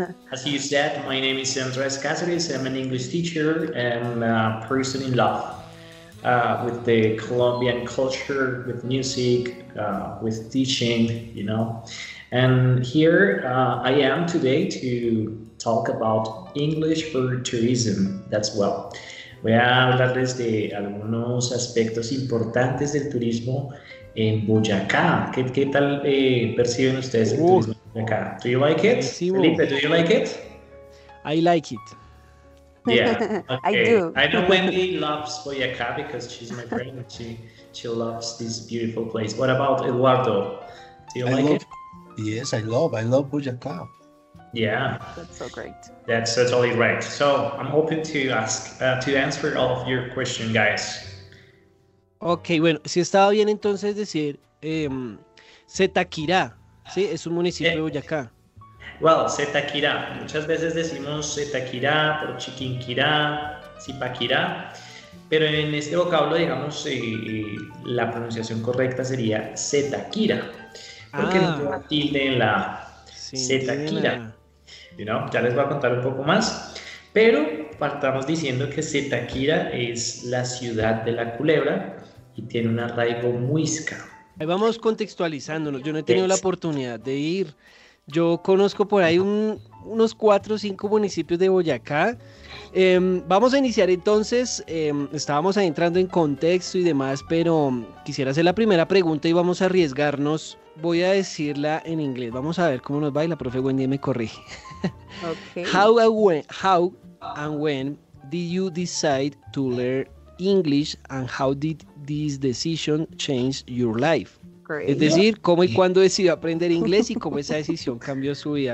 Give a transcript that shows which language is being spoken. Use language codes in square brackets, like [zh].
[en] As you said, my name is Andrés Cáceres. I'm an English teacher and a person in love with the Colombian culture, with music, with teaching, you know. And here I am today to talk about English for Tourism. That's well. [es] Voy a hablarles de algunos aspectos importantes del turismo en Boyacá. ¿Qué tal perciben ustedes el turismo en Boyacá? [en] ¿Do you like it? Felipe, ¿do you like it? I like it. Yeah, okay. I do. I know Wendy loves Boyacá because she's my friend. She loves this beautiful place. What about Eduardo? Do you like it? Yes, I love Boyacá. Yeah, that's so great. That's totally right. So I'm hoping to answer all of your question, guys. [es] Okay, bueno, si estaba bien entonces decir Zetaquirá, sí, es un municipio de Boyacá. [en] Well, Zetaquirá. [es] Muchas veces decimos Zetaquirá, por Chiquinquirá, Zipaquirá, pero en este vocablo, digamos, la pronunciación correcta sería Zetaquirá, porque no tiene tilde en la Zetaquirá. [en] You know, [es] ya les voy a contar un poco más, pero partamos diciendo que Zetaquirá es la ciudad de la culebra y tiene un arraigo muisca. Ahí vamos contextualizándonos. Yo no he tenido la oportunidad de ir. Yo conozco por ahí unos 4 o 5 municipios de Boyacá. Vamos a iniciar entonces. Estábamos entrando en contexto y demás, pero quisiera hacer la primera pregunta y vamos a arriesgarnos. Voy a decirla en inglés. Vamos a ver cómo nos va y la profe Wendy me corrige. Okay. [en] How and when did you decide to learn English and how did this decision change your life? Great. [es] Es decir, ¿cómo y cuándo decidió aprender inglés y cómo esa decisión cambió su vida?